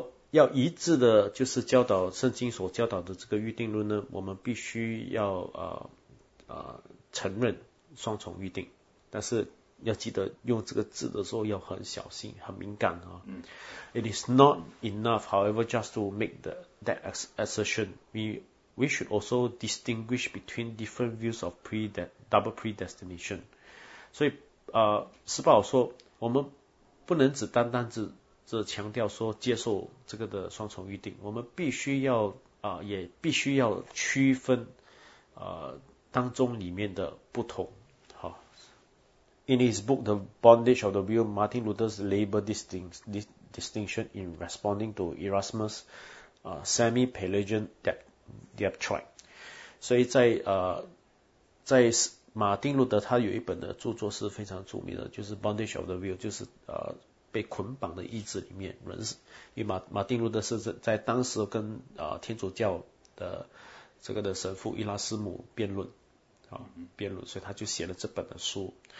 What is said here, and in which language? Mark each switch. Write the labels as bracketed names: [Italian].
[Chinese] 要一致的就是教导圣经所教导的这个预定论呢，我们必须要承认双重预定，但是要记得用这个字的时候要很小心，很敏感啊。 [English] It is not enough, however, just to make that assertion. We should also distinguish between different views of double predestination. [Chinese] 所以施保说，我们不能只单单只强调说接受这个的双重预定，我们必须要也必须要区分当中里面的不同。 [English] In his book, The Bondage of the Will, Martin Luther's labor distinction in responding to Erasmus, semi-Pelagian diatribe. [Chinese] 所以在马丁路德他有一本的著作是非常著名的，就是 Bondage of the Will, 就是被捆绑的意志里面，人是因为马丁路德是在当时跟天主教的这个的神父伊拉斯姆辩论，所以他就写了这本的书。